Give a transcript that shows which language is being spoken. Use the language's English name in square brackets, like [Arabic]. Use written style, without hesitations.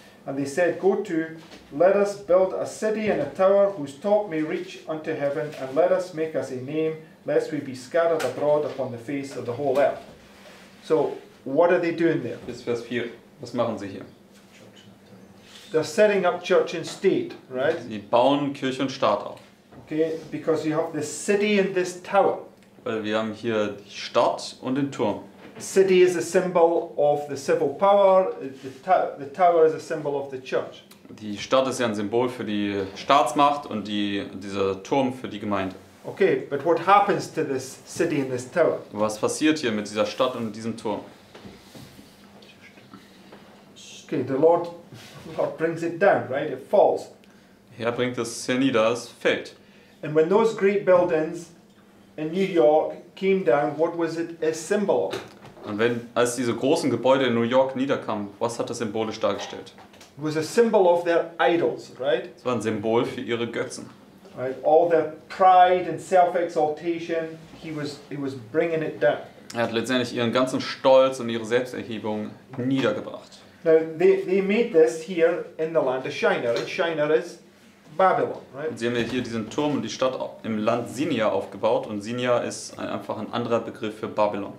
[English] And they said, go to, let us build a city and a tower whose top may reach unto heaven, and let us make us a name, lest we be scattered abroad upon the face of the whole earth. So, what are they doing there? [German] Bis Vers 4, was machen sie hier? [English] They're setting up church and state, right? [German] Sie bauen Kirche und Staat auf. [English] Okay, because you have this city and this tower. [German] Weil wir haben hier die Stadt und den Turm. [English] City is a symbol of the civil power. The tower is a symbol of the church. [German] Die Stadt ist ja ein Symbol für die Staatsmacht und dieser Turm für die Gemeinde. [English] Okay, but what happens to this city and this tower? [German] Was passiert hier mit dieser Stadt und diesem Turm? [English] Okay, the Lord brings it down, right? It falls. [German] Herr bringt es hernieder, es fällt. [English] And when those great buildings in New York came down, what was it a symbol of? [German] Und wenn, als diese großen Gebäude in New York niederkamen, was hat das symbolisch dargestellt? [English] It was a symbol of their idols, right? [German] Es war ein Symbol für ihre Götzen. [English] Right? All their pride and self-exaltation, he was bringing it down. [German] Er hat letztendlich ihren ganzen Stolz und ihre Selbsterhebung niedergebracht. [English] Now, they made this here in the land of Shinar. And Shinar is Babylon, right? [German] Und sie haben hier diesen Turm und die Stadt im Land Sinjar aufgebaut. Und Sinjar ist einfach ein anderer Begriff für Babylon.